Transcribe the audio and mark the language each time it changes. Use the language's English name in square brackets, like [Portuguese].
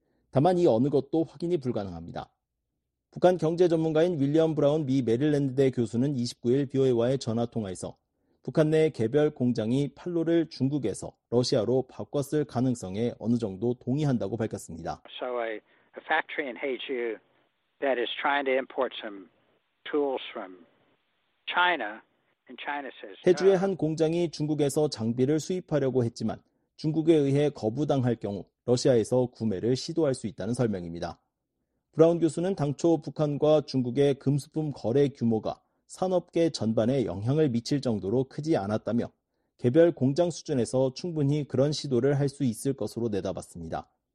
[Korean] 다만 이 어느 것도 확인이 불가능합니다. 북한 경제 전문가인 윌리엄 브라운 미 메릴랜드대 교수는 29일 BOA와의 전화 통화에서 북한 내 개별 공장이 판로를 중국에서 러시아로 바꿨을 가능성에 어느 정도 동의한다고 밝혔습니다. [English] So a factory in Haeju that is trying to import some tools from China and China says [Korean] 해주의 한 공장이 중국에서 장비를 수입하려고 했지만 중국에 의해 거부당할 경우 러시아에서 구매를 시도할 수 있다는 설명입니다. 브라운 교수는 당초 북한과 중국의 금수품 거래 규모가 산업계 전반에 영향을 미칠 정도로 크지 않았다며 개별 공장 수준에서 충분히 그런 시도를 할 수 있을 것으로 내다봤습니다.